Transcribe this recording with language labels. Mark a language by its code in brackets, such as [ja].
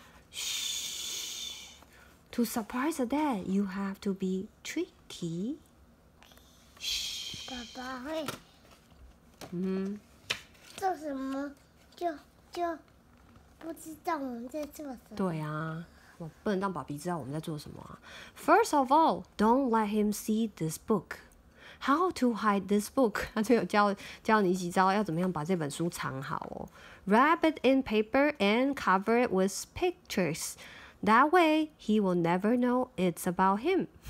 [en] 嘘 ，To surprise a dad， you have to be tricky。嘘， [zh] 爸爸会，嗯，做什么就不知道我们在做什么？对啊。我不能让爸比知道我们在做什么啊。 [en] First of all, don't let him see this book. How to hide this book? [zh] 他就有 教你几招要怎么样把这本书藏好哦。 [en] Wrap it in paper and cover it with pictures. That way, he will never know it's about him.